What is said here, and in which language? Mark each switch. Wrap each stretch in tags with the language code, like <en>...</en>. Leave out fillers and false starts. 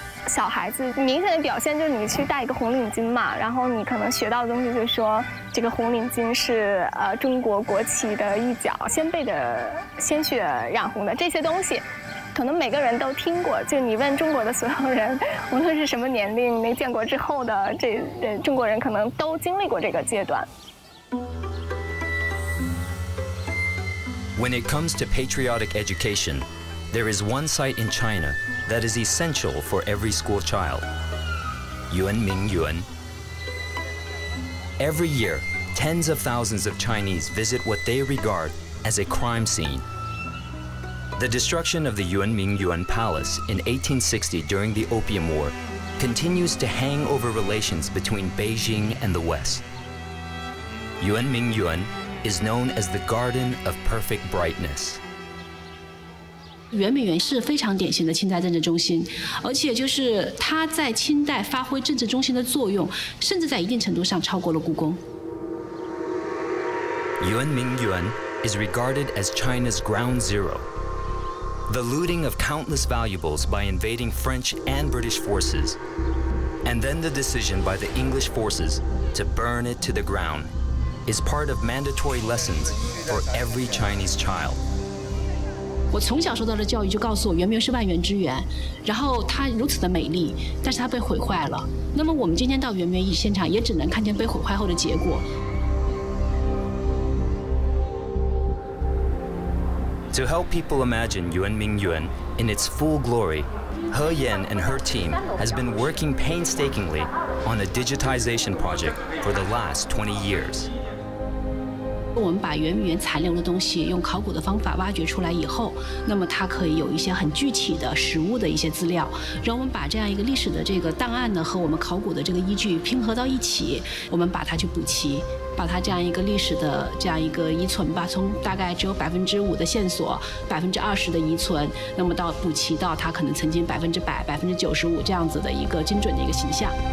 <zh>小孩子明显的表现就是你去戴一个红领巾嘛，然后你可能学到的东西就是说这个红领巾是中国国旗的一角，先辈的鲜血染红的，这些东西可能每个人都听过，就你问中国的所有人，无论是什么年龄，那建国之后的这中国人可能都经历过这个阶段。</zh> <en>When it comes to patriotic education, there is one site in China that is essential for every school child, Yuanmingyuan. Every year, tens of thousands of Chinese visit what they regard as a crime scene. The destruction of the Yuanmingyuan Palace in 1860 during the Opium War continues to hang over relations between Beijing and the West. Yuanmingyuan is known as the Garden of Perfect Brightness.</en> <zh>圆明园是非常典型的清代政治中心，而且就是它在清代发挥政治中心的作用，甚至在一定程度上超过了故宫。</zh> <en>Yuanmingyuan is regarded as China's ground zero. The looting of countless valuables by invading French and British forces, and then the decision by the English forces to burn it to the ground, is part of mandatory lessons for every Chinese child.</en> <zh>我从小受到的教育就告诉我，圆明是万园之园，然后它如此的美丽，但是它被毁坏了。那么我们今天到圆明现场，也只能看见被毁坏后的结果。</zh> <en>To help people imagine Yuanmingyuan in its full glory, He Yan and her team has been working painstakingly on a digitization project for the last 20 years.</en> <zh>我们把圆明园残留的东西用考古的方法挖掘出来以后，那么它可以有一些很具体的实物的一些资料，让我们把这样一个历史的这个档案呢和我们考古的这个依据拼合到一起，我们把它去补齐，把它这样一个历史的这样一个遗存吧，从大概只有5%的线索，20%的遗存，那么到补齐到它可能曾经100%、95%这样子的一个精准的一个形象。</zh>